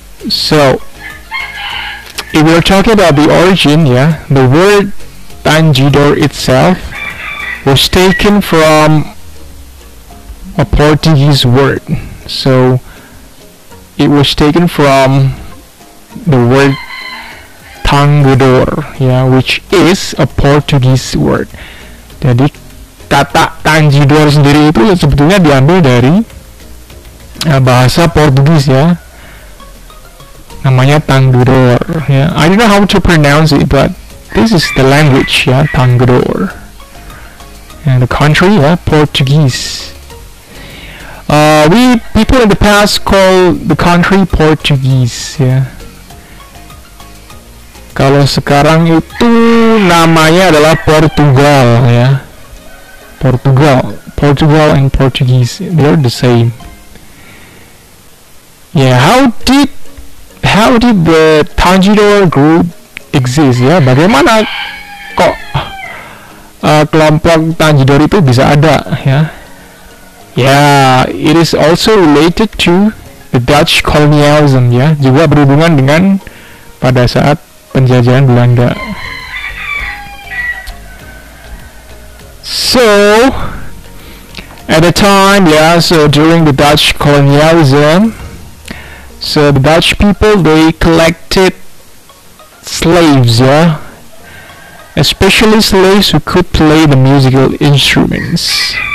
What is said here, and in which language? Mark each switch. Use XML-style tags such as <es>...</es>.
<en>So, if we're talking about the origin, yeah, the word Tanjidor itself was taken from a Portuguese word. So it was taken from the word Tanjidor, yeah, which is a Portuguese word.</en> <id>Jadi kata Tanjidor sendiri itu sebetulnya diambil dari bahasa Portugis, ya. Namanya Tanjidor,</id> <en>yeah. I don't know how to pronounce it, but this is the language, yeah, Tanjidor. And the country, yeah, Portuguese. We people in the past call the country Portuguese, yeah.</en> <id>Kalau sekarang itu namanya adalah Portugal, yeah.</id> <en>Portugal and Portuguese, they're the same. Yeah, how did the Tanjidor group exist, ya?</en> <id>Bagaimana kok kelompok Tanjidor itu bisa ada, ya?</id> <en>Yeah, it is also related to the Dutch colonialism, ya.</en> <id>Juga berhubungan dengan pada saat penjajahan Belanda.</id> <en>So, at the time, yeah, so during the Dutch colonialism, so the Dutch people, they collected slaves, yeah, especially slaves who could play the musical instruments.</en>